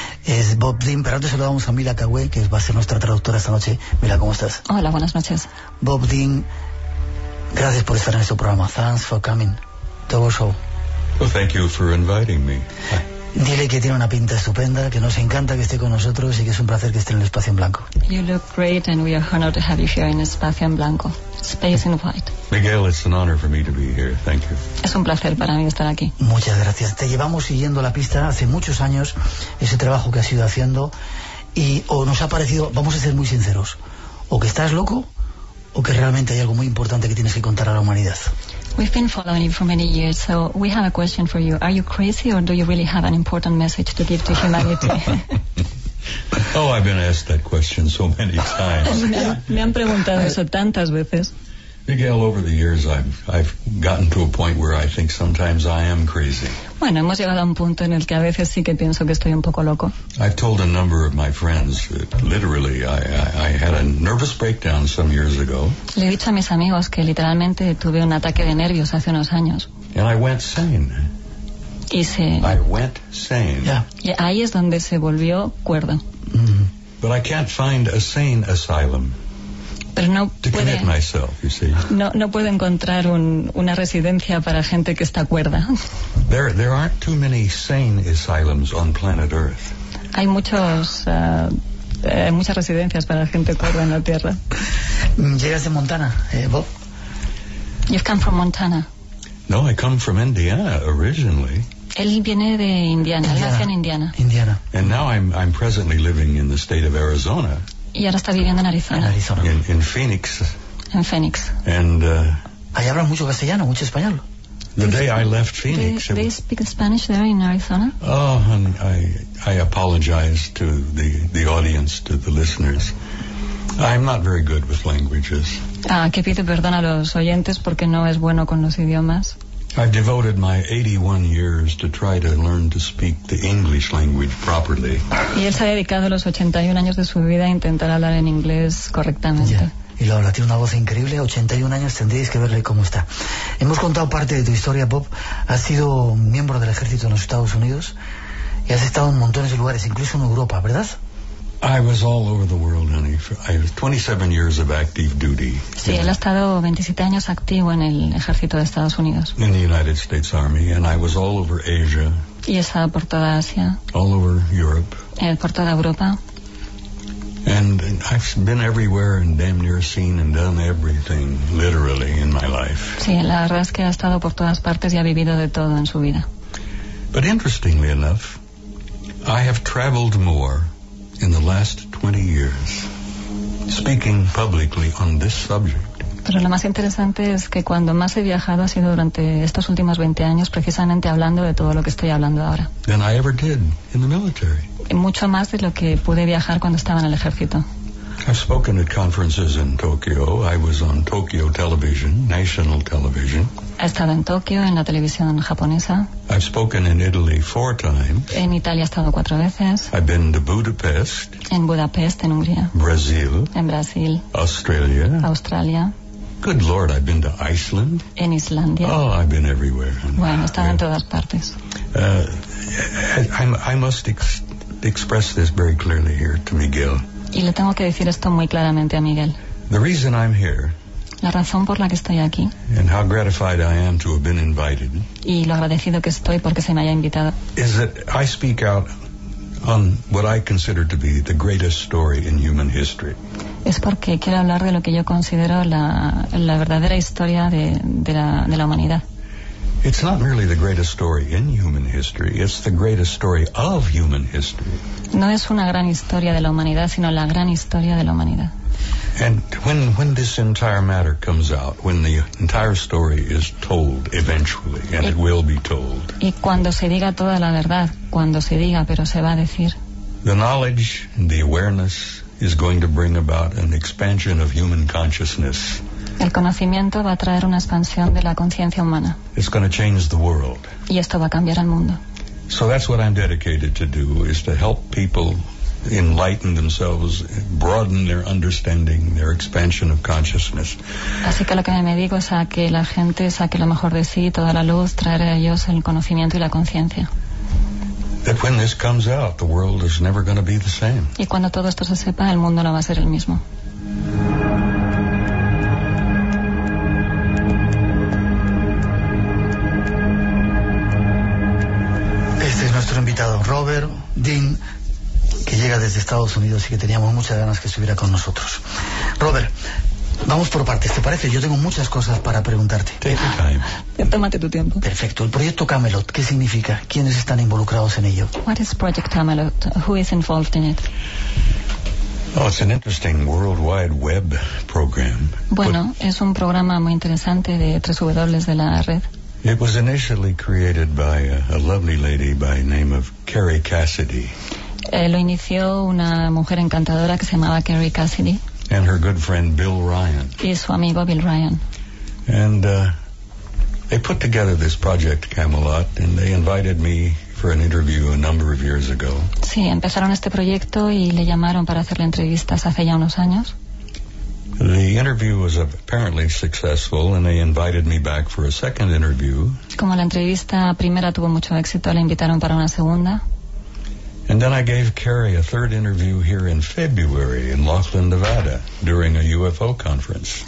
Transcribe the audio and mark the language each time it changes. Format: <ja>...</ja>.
<es>Es Bob Dean, pero antes saludamos a Mila Cagüe, que va a ser nuestra traductora esta noche. Mila, ¿cómo estás? Hola, buenas noches. Bob Dean, Gracias por estar en su programa.</es> <en>Thanks for coming to our show. Well, thank you for inviting me.</en> <es>Dile que tiene una pinta estupenda, que nos encanta que esté con nosotros y que es un placer que esté en el Espacio en Blanco.</es> <en>You look great and we are honored to have you here in Espacio en Blanco. Space in white. Miguel, it's an honor for me to be here. Thank you.</en> <es>Es un placer para mí estar aquí. Muchas gracias. Te llevamos siguiendo la pista hace muchos años, ese trabajo que has ido haciendo, y o nos ha parecido, vamos a ser muy sinceros, o que estás loco, o que realmente hay algo muy importante que tienes que contar a la humanidad.</es> <en>We've been following you for many years, so we have a question for you. Are you crazy or do you really have an important message to give to humanity? Oh, I've been asked that question so many times.</en> <es>Me han preguntado eso tantas veces.</es> <en>Miguel, over the years I've gotten to a point where I think sometimes I am crazy.</en> <es>Bueno, hemos llegado a un punto en el que a veces sí que pienso que estoy un poco loco.</es> <en>I've told a number of my friends that literally I had a nervous breakdown some years ago.</en> <es>Le he dicho a mis amigos que literalmente tuve un ataque de nervios hace unos años.</es> <en>And I went sane.</en> <es>Y se...</es> <en>I went sane.</en> <es>Yeah. Y ahí es donde se volvió cuerdo.</es> <en>But I can't find a sane asylum.</en> <es>Pero no puede,</es> <en>to commit myself, you see.</en> <es>No puedo encontrar una residencia para gente que está cuerda.</es> <en>There aren't too many sane asylums on planet Earth.</en> <es>Hay muchas residencias para gente cuerda en la Tierra. Llegas de Montana, Bob.</es> <en>You've come from Montana. No, I come from Indiana originally.</en> <es>Él viene de Indiana. Él nació en Indiana. Indiana.</es> <en>And now I'm presently living in the state of Arizona.</en> <es>Y ahora está viviendo en Arizona. En Phoenix. En Phoenix.</es> <en>And</en> <es>ahí hablan mucho castellano, mucho español.</es> <en>The day I left Phoenix. They speak Spanish there in Arizona. Oh, and I apologize to the audience, to the listeners. I'm not very good with languages.</en> <es>Ah, que pido perdón a los oyentes porque no es bueno con los idiomas.</es> <en>I've devoted my 81 years to try to learn to speak the English language properly.</en> <es>Y él se ha dedicado los 81 años de su vida a intentar hablar en inglés correctamente.</es> <en>Yeah.</en> <es>Y lo habla, tiene una voz increíble, 81 años, tendríais que verle cómo está. Hemos contado parte de tu historia, Bob. Has sido miembro del ejército en los Estados Unidos y has estado en montones de lugares, incluso en Europa, ¿verdad?</es> <en>I was all over the world, honey. I was 27 years of active duty.</en> <es>Sí, él ha estado 27 años activo en el ejército de Estados Unidos.</es> <en>In the United States Army, and I was all over Asia.</en> <es>Y he estado por toda Asia.</es> <en>All over Europe.</en> <es>Por toda Europa.</es> <en>And I've been everywhere and damn near seen and done everything, literally, in my life.</en> <es>Sí, la verdad es que ha estado por todas partes y ha vivido de todo en su vida.</es> <en>But interestingly enough, I have traveled more in the last 20 years, speaking publicly on this subject.</en> <es>Pero lo más interesante es que cuando más he viajado ha sido durante estos últimos 20 años, precisamente hablando de todo lo que estoy hablando ahora.</es> <en>Than I ever did in the military.</en> <es>Mucho más de lo que pude viajar cuando estaba en el ejército.</es> <en>I've spoken at conferences in Tokyo. I was on Tokyo television, national television.</en> <es>He estado en Tokio, en la televisión japonesa.</es> <en>I've spoken in Italy 4 times.</en> <es>En Italia he estado 4 veces.</es> <en>I've been to Budapest.</en> <es>En Budapest, en Hungría.</es> <en>Brazil.</en> <es>En Brasil.</es> <en>Australia.</en> <es>Australia.</es> <en>Good Lord, I've been to Iceland.</en> <es>En Islandia.</es> <en>Oh, I've been everywhere.</en> <es>Bueno, he estado en todas partes.</es> <en>I must express this very clearly here to Miguel.</en> <es>Y le tengo que decir esto muy claramente a Miguel.</es> <en>The reason I'm here,</en> <es>la razón por la que estoy aquí,</es> <en>and how gratified I am to have been invited,</en> <es>y lo agradecido que estoy porque se me haya invitado,</es> <en>is that I speak out on what I consider to be the greatest story in human history.</en> <es>Es porque quiero hablar de lo que yo considero la verdadera historia de la humanidad.</es> <en>It's not merely the greatest story in human history, it's the greatest story of human history.</en> <es>No es una gran historia de la humanidad, sino la gran historia de la humanidad.</es> <en>And when this entire matter comes out, when the entire story is told eventually, and it will be told.</en> <es>Y cuando se diga toda la verdad, cuando se diga, pero se va a decir.</es> <en>The knowledge, the awareness is going to bring about an expansion of human consciousness.</en> <es>El conocimiento va a traer una expansión de la conciencia humana.</es> <en>It's going to change the world.</en> <es>Y esto va a cambiar el mundo.</es> <en>So that's what I'm dedicated to do, is to help people enlighten themselves, broaden their understanding, their expansion of consciousness.</en> <es>Así que lo que me digo es a que la gente saque lo mejor de sí, toda la luz, traer a ellos el conocimiento y la conciencia.</es> <en>That when this comes out, the world is never going to be the same.</en> <es>Y cuando todo esto se sepa, el mundo no va a ser el mismo. nuestro invitado Robert Dean, que llega desde Estados Unidos y que teníamos muchas ganas que estuviera con nosotros. Robert, vamos por partes, ¿te parece? Yo tengo muchas cosas para preguntarte. Tómate tu tiempo. Perfecto. El proyecto Camelot, ¿qué significa? ¿Quiénes están involucrados en ello?</es> <en>What is Project Camelot? Who is involved in it? Oh, it's an interesting worldwide web program.</en> <es>Bueno, es un programa muy interesante de 3W de la red.</es> <en>It was initially created by a lovely lady by name of Carrie Cassidy.</en> <es>Lo inició una mujer encantadora que se llamaba Carrie Cassidy.</es> <en>And her good friend Bill Ryan.</en> <es>Y su amigo Bill Ryan.</es> <en>And they put together this project Camelot, and they invited me for an interview a number of years ago.</en> <es>Sí, empezaron este proyecto y le llamaron para hacerle entrevistas hace ya unos años.</es> <en>The interview was apparently successful, and they invited me back for a second interview.</en> <es>Como la entrevista primera tuvo mucho éxito, le invitaron para una segunda.</es> <en>And then I gave Carrie a third interview here in February in Laughlin, Nevada, during a UFO conference.</en>